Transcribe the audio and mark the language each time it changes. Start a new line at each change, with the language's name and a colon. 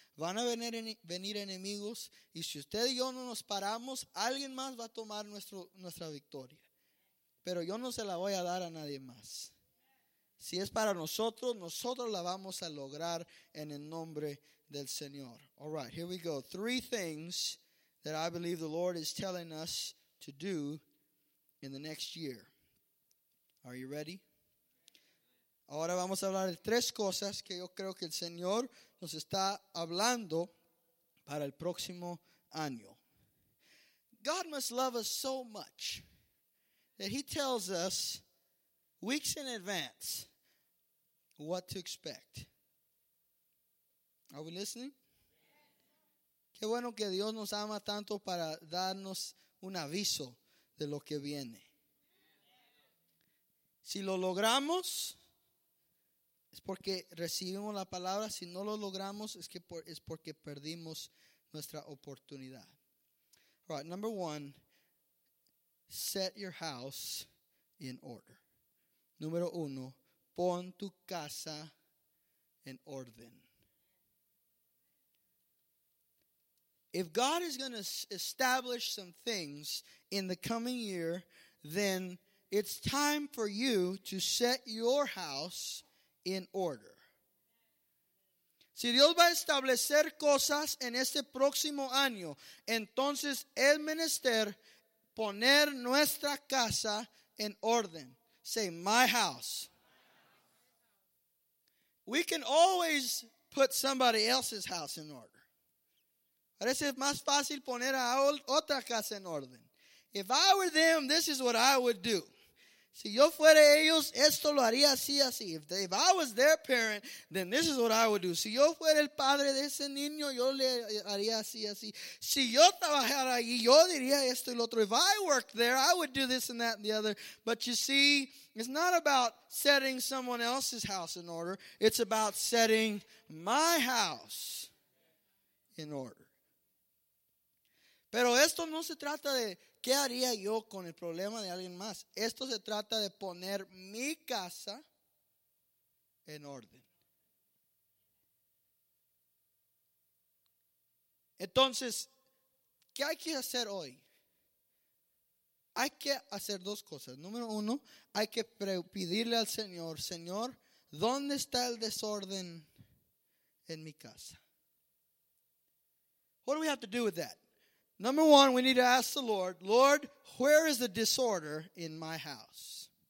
Spanish: Van a venir enemigos, y si usted y yo no nos paramos, alguien más va a tomar nuestra victoria. Pero yo no se la voy a dar a nadie más. Si es para nosotros, nosotros la vamos a lograr en el nombre del Señor.
English: All right, here we go. Three things that I believe the Lord is telling us to do in the next year. Are you ready?
Spanish: Ahora vamos a hablar de tres cosas que yo creo que el Señor nos está hablando para el próximo año.
English: God must love us so much that he tells us weeks in advance what to expect. Are we listening?
Spanish: Qué bueno que Dios nos ama tanto para darnos un aviso de lo que viene. Si lo logramos, es porque recibimos la palabra. Si no lo logramos, es porque perdimos nuestra oportunidad.
English: All right, number one, set your house in order.
Spanish: Número uno, pon tu casa en orden.
English: If God is going to establish some things in the coming year, then it's time for you to set your house in order.
Spanish: Si Dios va a establecer cosas en este próximo año, entonces es menester poner nuestra casa en orden.
English: Say, my house. We can always put somebody else's house in order.
Spanish: Parece más fácil poner a otra casa en orden.
English: If I were them, this is what I would do.
Spanish: Si yo fuera ellos, esto lo haría así, así.
English: If I was their parent, then this is what I would do.
Spanish: Si yo fuera el padre de ese niño, yo le haría así, así. Si yo trabajara allí, yo diría esto y lo otro.
English: If I worked there, I would do this and that and the other. But you see, it's not about setting someone else's house in order. It's about setting my house in order.
Spanish: Pero esto no se trata de qué haría yo con el problema de alguien más. Esto se trata de poner mi casa en orden. Entonces, ¿qué hay que hacer hoy? Hay que hacer dos cosas. Número uno, hay que pedirle al Señor, Señor, ¿dónde está el desorden en mi casa?
English: What do we have to do with that? Number one, we need to ask the Lord, Lord, where is the disorder in my house?